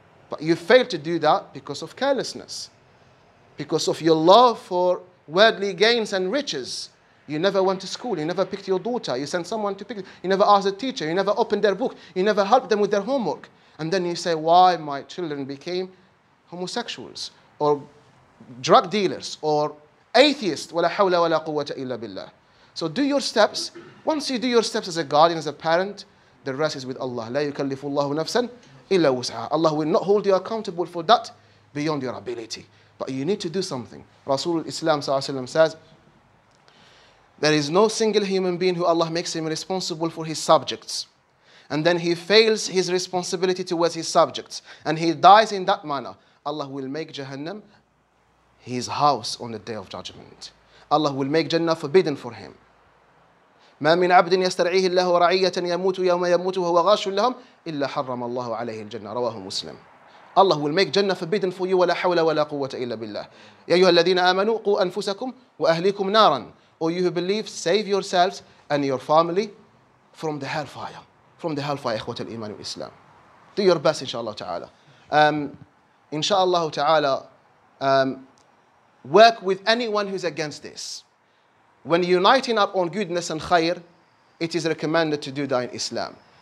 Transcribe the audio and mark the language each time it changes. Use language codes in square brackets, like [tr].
[en] But you failed to do that because of carelessness. Because of your love for worldly gains and riches. You never went to school. You never picked your daughter. You sent someone to pick. You never asked a teacher. You never opened their book. You never helped them with their homework. And then you say, why my children became homosexuals or drug dealers or atheists? [ar] وَلَا حَوْلَ وَلَا قُوَّةَ إِلَّا بِاللَّهِ [en] So do your steps. Once you do your steps as a guardian, as a parent, the rest is with Allah. [ar] لَا يُكَلِّفُ اللَّهُ نَفْسًا إِلَّا وُسْعَهَا [en] Allah will not hold you accountable for that beyond your ability. But you need to do something. Rasul Islam sallallahu alayhi wa sallam says, there is no single human being who Allah makes him responsible for his subjects. And then he fails his responsibility towards his subjects. And he dies in that manner. Allah will make Jahannam his house on the day of judgment. Allah will make Jannah forbidden for him. [ar] ما من عبد يسترعيه الله رعية يموت يوم يموت وهو غاش لهم إلا حرم الله عليه الجنة رواه مسلم. [en] Allah will make Jannah forbidden for you [ar] ولا حول ولا قوة إلا بالله. يا أيها الذين آمنوا قوا أنفسكم وأهليكم نارا. [en] Or you who believe, save yourselves and your family from the hellfire. From the hellfire, [ar] إخوة الإيمان والإسلام. [en] Do your best, inshallah ta'ala. Inshallah ta'ala, work with anyone who's against this. When uniting up on goodness and khair, it is recommended to do that in Islam.